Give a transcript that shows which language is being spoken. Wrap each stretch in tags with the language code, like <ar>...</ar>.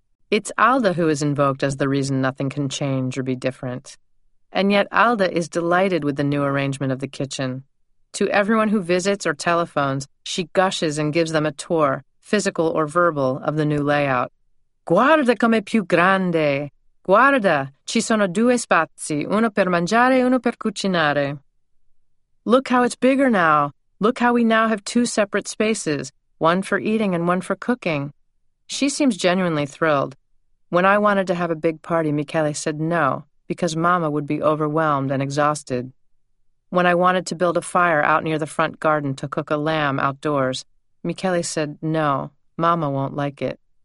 <en>It's Alda who is invoked as the reason nothing can change or be different. And yet Alda is delighted with the new arrangement of the kitchen. To everyone who visits or telephones, she gushes and gives them a tour, physical or verbal, of the new layout.</en> <it>"Guarda come più grande! Guarda, Ci sono due spazi, uno per mangiare e uno per cucinare.</it> <en>Look how it's bigger now. Look how we now have two separate spaces, one for eating and one for cooking. She seems genuinely thrilled. When I wanted to have a big party, Michele said no, because Mama would be overwhelmed and exhausted. When I wanted to build a fire out near the front garden to cook a lamb outdoors, Michele said no, Mama won't like it.</en>